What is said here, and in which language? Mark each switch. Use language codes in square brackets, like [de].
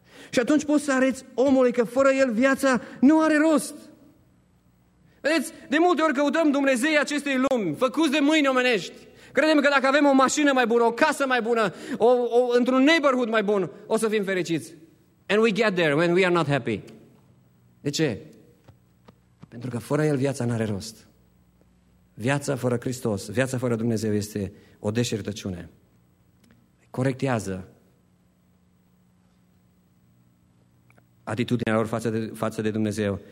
[ro] Și atunci poți să arăți omului că fără el viața nu are rost. Vedeți, de multe ori căutăm Dumnezeii acestei lumi, făcuți de mâini omenești. Credem că dacă avem o mașină mai bună, o casă mai bună, într-un neighborhood mai bun, o să fim fericiți. [en] And we get there when we are not happy. [ro] De ce? Pentru că fără el viața n-are rost. Viața fără Hristos, viața fără Dumnezeu este o deșertăciune. corectează atitudinea lor față de Dumnezeu.